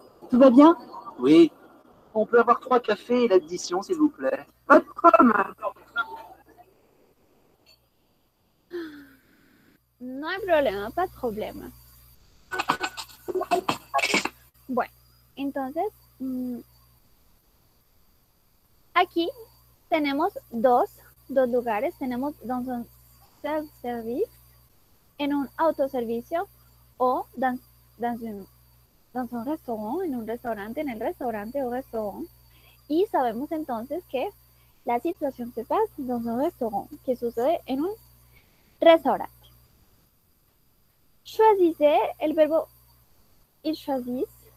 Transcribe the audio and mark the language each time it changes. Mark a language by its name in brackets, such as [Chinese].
[French] Tout va bien? Oui. On peut avoir 3 cafés et l'addition, s'il vous plaît. Pas de problème. Non, problème, pas de problème. [Spanish] Bueno, entonces, aquí tenemos dos lugares. Tenemos [French] dans un self-service, [Spanish] en un autoservicio, o [French] dans un restaurant, [Spanish] en un restaurante, en el restaurante o restaurant. Y sabemos entonces que la situación se pasa [French] dans un restaurant, [Spanish] que sucede en un restaurante. [French] Choisissez, [Spanish] el verbo [French] il choisit.